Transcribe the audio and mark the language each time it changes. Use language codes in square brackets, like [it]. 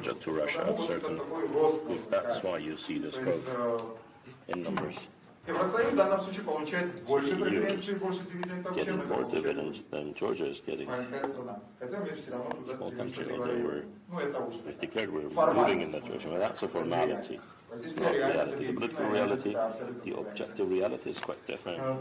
[en] to 2023. That's why you see this growth in numbers. [ru] Евросоюз в данном случае получает больше преференций, больше дивидендов, чем это получает. Маленькая страна. Хотя мы все равно туда стремимся, говорим. Ну, это уже так. Формальность. Формальность. Здесь не реальность, это политическая реальность. Объективная реальность [en] quite different.